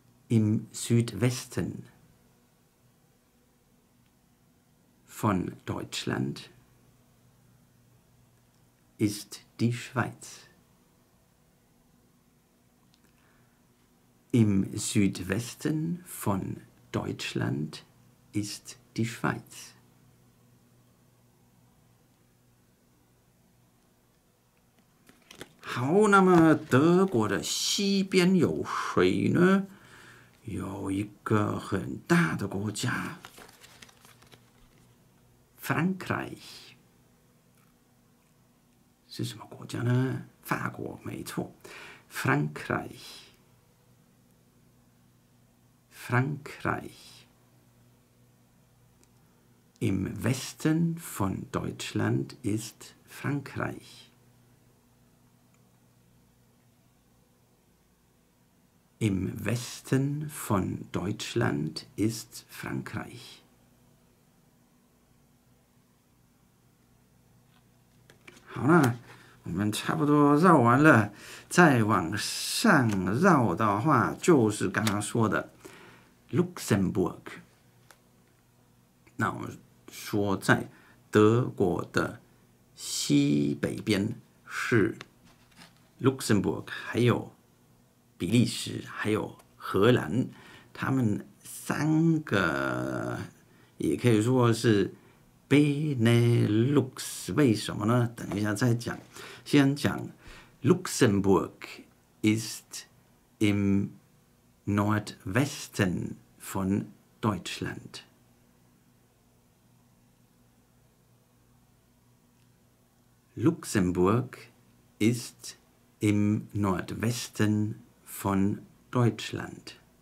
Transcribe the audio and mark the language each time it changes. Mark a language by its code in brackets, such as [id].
[de] im Südwesten von Deutschlandist die Schweiz。 Im Südwesten von Deutschland ist die Schweiz。 [zh] 好，那么德国的西边有谁呢？有一个很大的国家 Frankreich。是什么国家呢？法国，没错 ，Frankreich， Frankreich。 Im Westen von Deutschland ist Frankreich。 Im Westen von Deutschland ist Frankreich。好了，我们差不多绕完了，再往上绕的话就是刚刚说的 Luxembourg。那我们说在德国的西北边是 Luxembourg， 还有比利时，还有荷兰，他们三个也可以说是Benelux。为什么呢？等一下再讲。先讲 [de] Luxembourg ist im Nordwesten von Deutschland。 Luxembourg ist im Nordwesten von Deutschland。